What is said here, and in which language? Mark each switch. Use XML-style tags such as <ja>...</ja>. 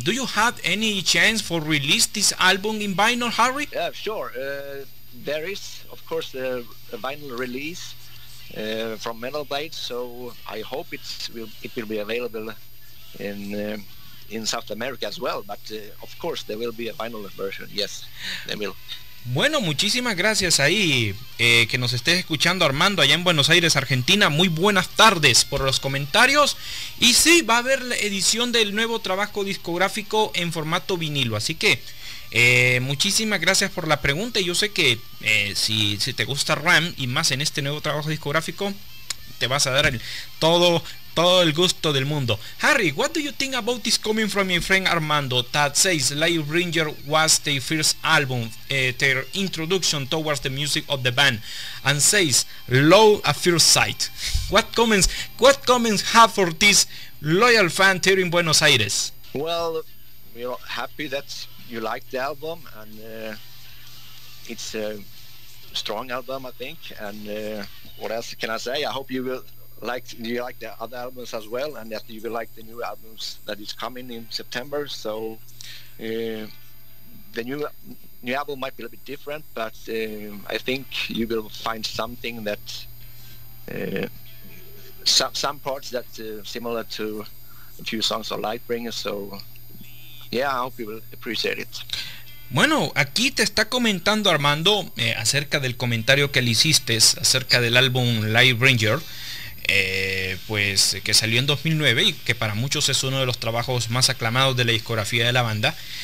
<en>Do you have any chance for release this album in vinyl, Harry? Yeah, sure. There is, of course, a vinyl release from Metal Blade. So I hope it will be available in South America as well. But of course, there will be a vinyl version. Yes, there will.</en> <es>Bueno, muchísimas gracias ahí, que nos estés escuchando, Armando, allá en Buenos Aires, Argentina. Muy buenas tardes por los comentarios. Y sí, va a haber la edición del nuevo trabajo discográfico en formato vinilo. Así que muchísimas gracias por la pregunta. Yo sé que si te gusta Ram y más en este nuevo trabajo discográfico, te vas a dar todo el gusto del mundo. Harry, what do you think about this coming from my friend Armando that says Lightbringer was the first album, their introduction towards the music of the band, and says low at first sight? What comments have for this loyal fan here in Buenos Aires? Well, we are happy that you like the album, and it's a strong album, I think, and what else can I say? I hope you will like the other albums as well, and that you will like the new albums that is coming in September. So the new album might be a little bit different, but I think you will find something that some parts that similar to a few songs of Lightbringer. So Yeah, I hope you will appreciate it. Bueno, aquí te está comentando Armando acerca del comentario que le hiciste acerca del álbum Lightbringer, pues que salió en 2009 y que para muchos es uno de los trabajos más aclamados de la discografía de la banda.</es>